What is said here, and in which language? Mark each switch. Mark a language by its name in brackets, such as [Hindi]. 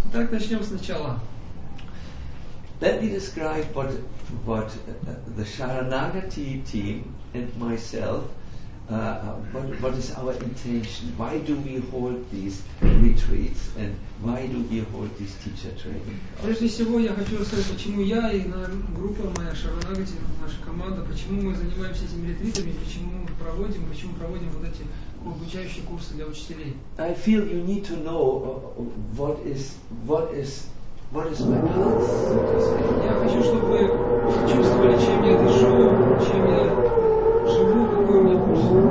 [Russian] Так, начнем сначала. [English] Let me describe what the Sharanagati team and myself, what is our intention? Why do we hold these retreats and why do we hold these teacher training? [Russian] Прежде всего, я хочу рассказать, почему я и группа моя Шаранагати, наша команда, почему мы занимаемся этими ретритами, почему проводим вот эти обучающие курсы для учителей. [English] I feel you need to know what is my path. [Russian] Я хочу, чтобы вы чувствовали, чем я дышу, чем я живу, какой у меня курс.